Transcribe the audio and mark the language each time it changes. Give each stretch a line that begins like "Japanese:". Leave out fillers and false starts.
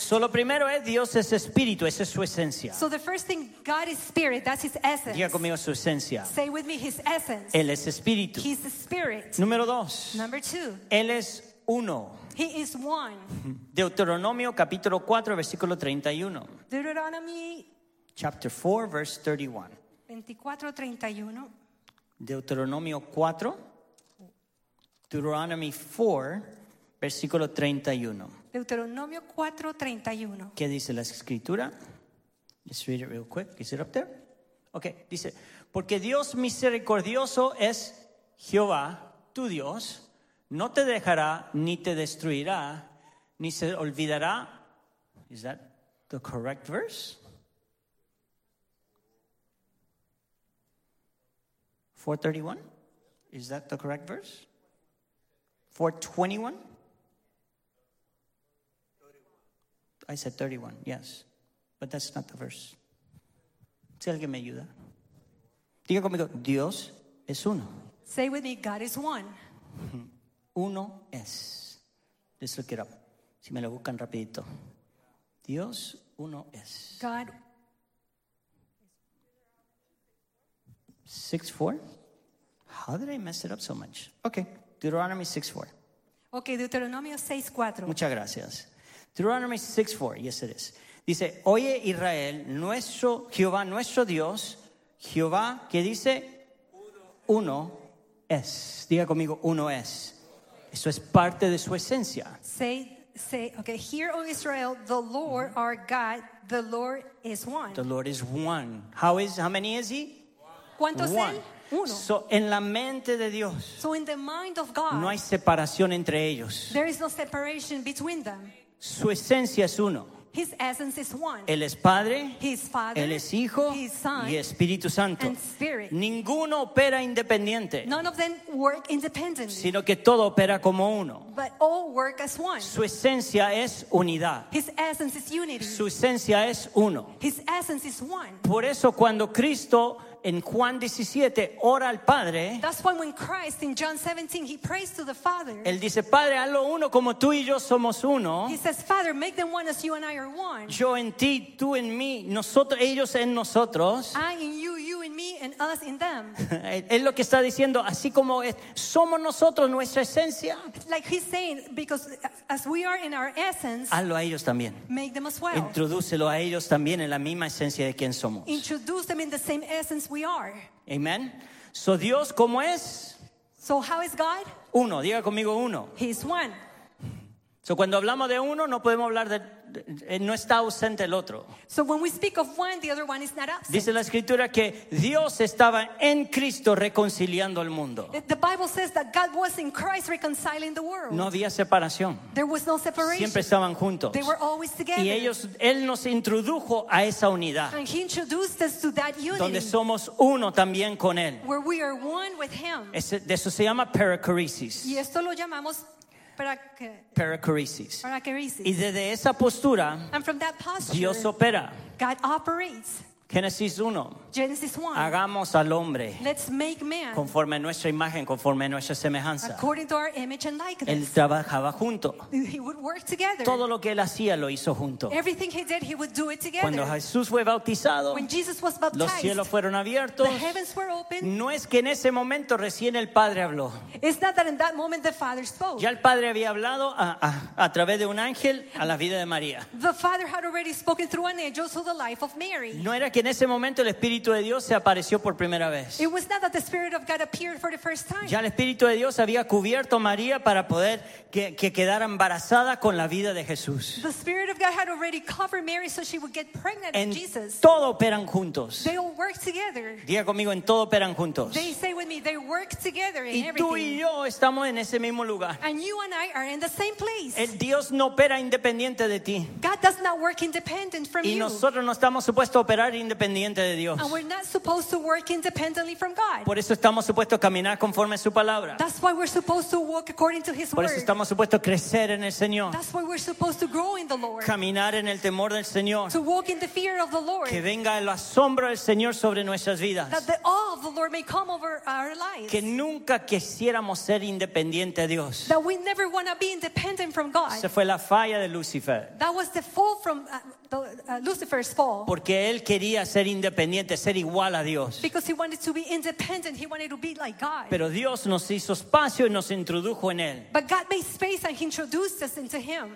Spanish: Solo primero es Dios es espíritu, esa es su esencia.
English: So the first thing, God is spirit, that's his essence.
Spanish: Diga conmigo su esencia.
English: Say with me his essence.
Spanish: Él es espíritu.
English: He's the spirit.
Spanish: Número dos.
English: Number two.
Spanish: Él es uno.
English: He is one.
Spanish: Deuteronomio capítulo 4 versículo 31.
English: Deuteronomy chapter 4 verse 31. 24:31.
Spanish: Deuteronomio 4.
English: Deuteronomy 4
Spanish: versículo 31. Deuteronomio 4:31. ¿Qué dice la escritura?
English: Let's read it real quick. Is it up there?
Spanish: Okay, dice, porque Dios misericordioso es Jehová, tu Dios. No te dejará, ni te destruirá, ni se olvidará.
English: Is that the correct verse? 431? Is that the correct verse? 421? I said 31, yes. But that's not the verse.
Spanish: Si alguien me ayuda. Diga conmigo, Dios es uno.
English: Say with me, God is one.
Spanish: Uno es.
English: Let's look it up.
Spanish: Si me lo buscan rapidito. Dios, uno es.
English: God. 6:4? How did I mess it up so much? Okay. Deuteronomy 6:4.
Spanish: Okay, Deuteronomio 6:4. Muchas gracias.
English: Deuteronomy 6:4. Yes, it is.
Spanish: Dice, oye Israel, nuestro Jehová, nuestro Dios, Jehová, ¿qué dice? Uno es. Diga conmigo, uno es. Eso es parte de su esencia.
English: Say, okay, hear, O Israel, the Lord our God, the Lord is one. The Lord is one. How many is he?
Spanish: One. ¿Cuántos
English: one.
Spanish: Él? Uno. So, en la mente de Dios.
English: So, in the mind of God.
Spanish: No hay separación entre ellos.
English: There is no separation between them.
Spanish: Su esencia es uno.
English: His essence is one.
Spanish: Él es Padre.
English: His Father.
Spanish: Él es Hijo.
English: His Son.
Spanish: Y Espíritu Santo.
English: And Spirit.
Spanish: Ninguno opera independiente.
English: None of them work independently.
Spanish: Sino que todo opera como uno.
English: But all work as one.
Spanish: Su esencia es unidad.
English: His essence is unity.
Spanish: Su esencia es uno.
English: His essence is one.
Spanish: Por eso cuando Cristo en Juan 17 ora al Padre,
English: that's why when Christ in John 17 he prays to the Father.
Spanish: Él dice, Padre, hazlo uno como tú y yo somos uno.
English: He says, Father, make them one as you and I are one.
Spanish: Yo en ti, tú en mí, nosotros, ellos en nosotros.
English: I in you, you in me, and us in them.
Spanish: Es lo que está diciendo, así como es, somos nosotros nuestra esencia.
English: Like he's saying, because as we are in our essence,
Spanish: hazlo a ellos también.
English: Make them as well.
Spanish: Introdúcelo a ellos también en la misma esencia de quien somos.
English: Introduce them in the same essence we are.
Spanish: Amen. So Dios, ¿cómo es?
English: So how is God?
Spanish: Uno. Diga conmigo uno.
English: He's one.
Spanish: So cuando hablamos de uno, no podemos hablar de no está ausente el otro.
English: So when we speak of one, the other one is not absent.
Spanish: Dice la escritura que Dios estaba en Cristo reconciliando al mundo.
English: The Bible says that God was in Christ reconciling the world.
Spanish: No había separación.
English: There was no separation.
Spanish: Siempre estaban juntos.
English: They were always together.
Spanish: Y él nos introdujo a esa unidad.
English: And he introduced us to that unity.
Spanish: Donde somos uno también con él.
English: Where we are one with him.
Spanish: De eso se llama perichoresis. Y esto lo llamamos perichoresis. Perichoresis. Y desde esa postura,
English: and from that posture,
Spanish: Dios opera.
English: God operates.
Spanish: Génesis 1.
English: Genesis 1.
Spanish: Hagamos al hombre.
English: Let's make man.
Spanish: Conforme a nuestra imagen, conforme a nuestra semejanza.
English: According to our image and likeness.
Spanish: Él trabajaba junto.
English: He would work together.
Spanish: Todo lo que él hacía lo hizo junto.
English: Everything he did, he would do it together.
Spanish: Cuando Jesús fue bautizado,
English: when Jesus was baptized,
Spanish: los cielos fueron abiertos.
English: The heavens were opened.
Spanish: No es que en ese momento recién el Padre habló.
English: It's not that in that moment the Father spoke.
Spanish: Ya el Padre había hablado a través de un ángel a la vida de María.
English: The Father had already spoken through an angel to the life of Mary.
Spanish: No era que en ese momento el Espíritu de Dios se apareció por primera vez.
English: It was not that the Spirit of God appeared for the first time.
Spanish: Ya el Espíritu de Dios había cubierto a María para poder que quedara embarazada con la vida de Jesús.
English: The Spirit of God had already covered Mary so she would get pregnant
Spanish: en
English: with Jesus.
Spanish: Todo operan juntos.
English: They all work together.
Spanish: Diga conmigo, en todo operan juntos.
English: They say with me, they work together in
Spanish: y
English: everything.
Spanish: Y tú y yo estamos en ese mismo lugar.
English: And you and I are in the same place.
Spanish: El Dios no opera independiente de ti.
English: God does not work independent from
Spanish: y
English: you.
Spanish: Y nosotros no estamos supuestos a operar independiente. independiente de Dios.
English: And we're not supposed to work independently from God.
Spanish: Por eso estamos supuestos a caminar conforme a su palabra.
English: That's why we're supposed to walk according to his
Spanish: word. Por eso estamos supuestos a crecer en el Señor.
English: That's why we're supposed to grow in the Lord.
Spanish: Caminar en el temor del Señor.
English: To walk in the fear of the Lord.
Spanish: Que venga el asombro del Señor sobre nuestras vidas.
English: That the awe of the Lord may come over our lives.
Spanish: Que nunca quisiéramos ser independiente de Dios.
English: That we never want to be independent from God.
Spanish: Se fue la falla de Lucifer.
English: That was the fall from Lucifer's fall.
Spanish: Porque él quería ser independiente, ser igual a Dios.
English: Because he wanted to be independent, he wanted to be like God.
Spanish: Pero Dios nos hizo espacio y nos introdujo en él.
English: But God made space and he introduced us into him.